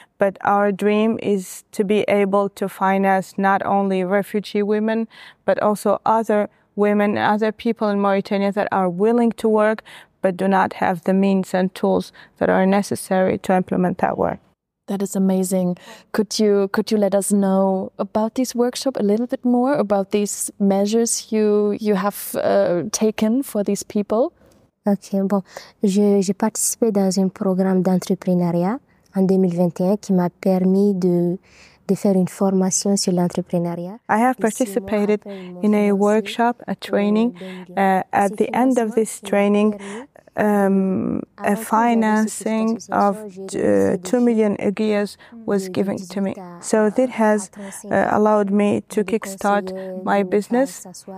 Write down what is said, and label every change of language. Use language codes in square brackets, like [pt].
[en] But our dream is to be able to finance not only refugee women, but also other women, other people in Mauritania that are willing to work but do not have the means and tools that are necessary to implement that work. That is amazing. Could you let us know about this workshop a little bit more, about these measures you have taken for these people? [fr] Okay, bon, j'ai participé dans un programme d'entrepreneuriat en 2021 qui m'a permis de faire une formation sur l'entrepreneuriat. [en] I have participated in a workshop, a training. At the end of this training, A financing of 2 million euros was given to me. So that has allowed me to kickstart my business.